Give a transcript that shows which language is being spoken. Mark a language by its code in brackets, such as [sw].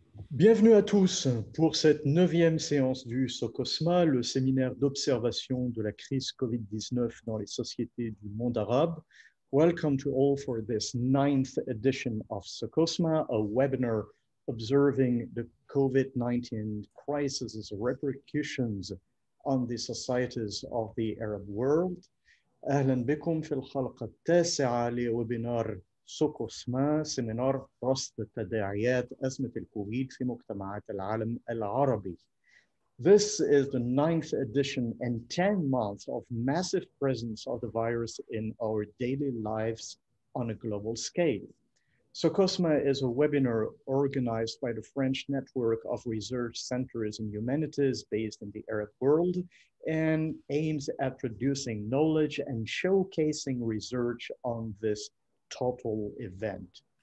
[fr] Bienvenue à tous pour cette neuvième séance du SOCOSMA, le séminaire d'observation de la crise COVID-19 dans les sociétés du monde arabe. [en] Welcome to all for this ninth edition of SOCOSMA, a webinar observing the COVID-19 crisis's repercussions on the societies of the Arab world. [ar] أهلا بكم في الحلقة التاسعة لويبينار سوكوسما سيمينار رصد تداعيات أزمة الكوفيد في مجتمعات العالم العربي. [en] This is the ninth edition and 10 months of massive presence of the virus in our daily lives on a global scale. SOCOSMA is a webinar organized by the French Network of Research Centers in Humanities based in the Arab world and aims at producing knowledge and showcasing research on this total event.